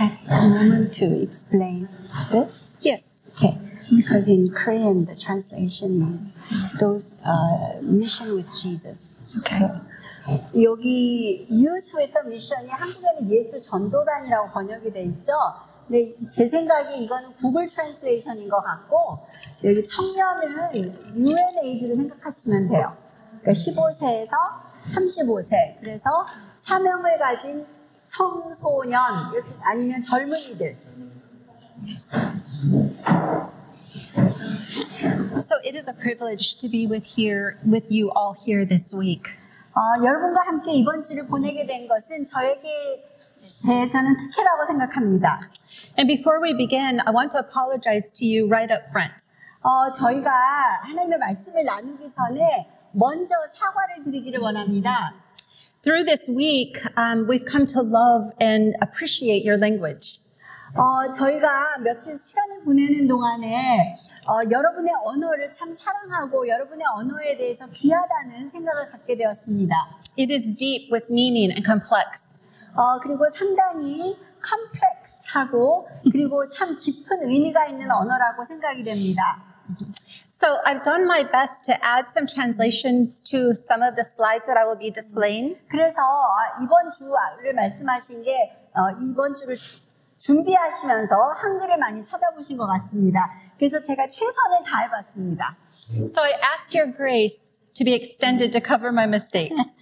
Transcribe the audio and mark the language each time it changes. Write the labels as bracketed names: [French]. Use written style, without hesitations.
[English] A moment to explain this. Yes. Okay. Because in Korean, the translation is those mission with Jesus. Okay. [Korean] So, 여기 [English] use with a mission [Korean] 이 한국에는 예수 전도단이라고 번역이 돼 있죠. 근데 제 생각에 이거는 구글 트랜슬레이션인 것 같고 여기 청년은 UNAG로 생각하시면 돼요. 그러니까 15세에서 35세. 그래서 사명을 가진 청소년 아니면 젊은이들. [English] So it is a privilege to be with here with you all here this week. [Korean] 여러분과 함께 이번 주를 보내게 된 것은 저에게 대해서는 특혜라고 생각합니다. [English] And before we begin, I want to apologize to you right up front. [Korean] 저희가 하나님의 말씀을 나누기 전에 먼저 사과를 드리기를 원합니다. [English] Through this week, we've come to love and appreciate your language. [Korean] 저희가 며칠 시간을 보내는 동안에 여러분의 언어를 참 사랑하고 여러분의 언어에 대해서 귀하다는 생각을 갖게 되었습니다. [English] It is deep with meaning and complex. [Korean] 그리고 상당히 complex하고 그리고 참 깊은 의미가 있는 언어라고 생각이 됩니다. [English] So I've done my best to add some translations to some of the slides that I will be displaying. [Korean] 그래서 이번 주를 말씀하신 게 이번 주를 준비하시면서 한글을 많이 찾아보신 것 같습니다. 그래서 제가 최선을 다해봤습니다. [English] So I ask your grace to be extended to cover my mistakes.